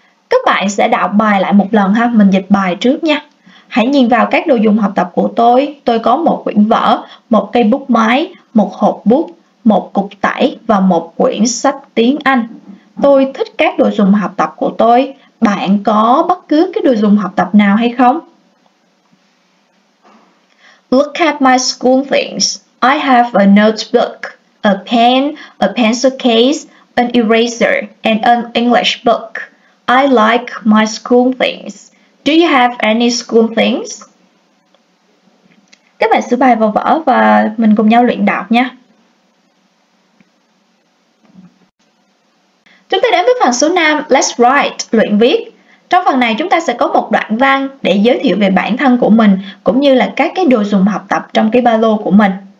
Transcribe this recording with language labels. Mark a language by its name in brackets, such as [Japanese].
[Vietnamese] Các bạn sẽ đọc bài lại một lần ha, mình dịch bài trước nha. Hãy nhìn vào các đồ dùng học tập của tôi. Tôi có một quyển vở, một cây bút máy, một hộp bút, một cục tẩy và một quyển sách tiếng Anh. Tôi thích các đồ dùng học tập của tôi. Bạn có bất cứ cái đồ dùng học tập nào hay không? [English] Look at my school things. I have a notebook, a pen, a pencil case, an eraser, and an English book. I like my school things. Do you have any school things? [Vietnamese] Các bạn sửa bài vào vở và mình cùng nhau luyện đọc nhé. Chúng ta đến với phần số 5, [English] let's write, [Vietnamese] luyện viết. Trong phần này chúng ta sẽ có một đoạn văn để giới thiệu về bản thân của mình, cũng như là các cái đồ dùng học tập trong cái ba lô của mình.